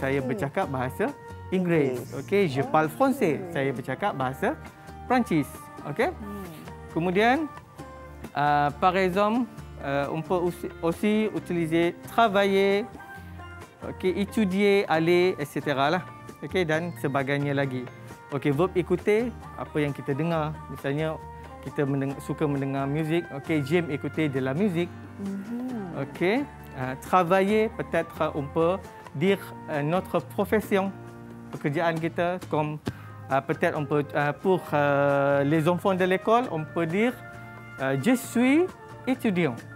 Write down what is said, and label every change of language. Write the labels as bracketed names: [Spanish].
[Malay] Saya bercakap bahasa Inggeris. OK, [French] je parle français. [Malay] Okay. Saya bercakap bahasa Perancis. OK? Kemudian [French] par exemple, on peut aussi utiliser travailler, OK, étudier, aller, etc. [Malay] lah. OK, dan sebagainya lagi. Okey, verb écouter, apa yang kita dengar. Misalnya, kita suka mendengar muzik. [French] Okey, j'aime écouter de la musique. Okey, travailler, peut-être on peut dire notre profession, [Malay] pekerjaan kita. [French] Comme, peut-être on peut, pour les enfants de l'école, on peut dire je suis étudiant.